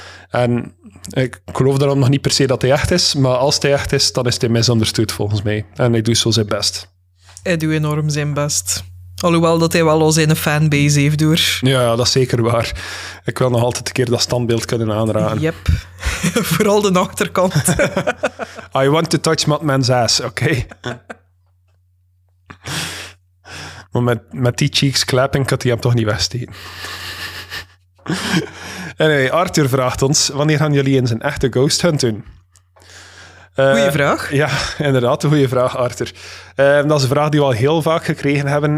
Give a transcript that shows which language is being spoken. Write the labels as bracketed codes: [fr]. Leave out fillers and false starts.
[nl] En ik geloof daarom nog niet per se dat hij echt is, maar als hij echt is, dan is hij misunderstood volgens mij. En hij doet zo zijn best. Hij doet enorm zijn best. Alhoewel dat hij wel al zijn fanbase heeft door. Ja, dat is zeker waar. Ik wil nog altijd een keer dat standbeeld kunnen aanraden. Yep. Vooral de achterkant. [en] I want to touch Mothman's ass, oké? [nl] Maar met die [en] cheeks clapping [nl] kan hij hem toch niet wegsteken. Anyway, Arthur vraagt ons, wanneer gaan jullie eens een echte ghost hunt doen? Goeie vraag. Ja, inderdaad, een goede vraag, Arthur. Dat is een vraag die we al heel vaak gekregen hebben.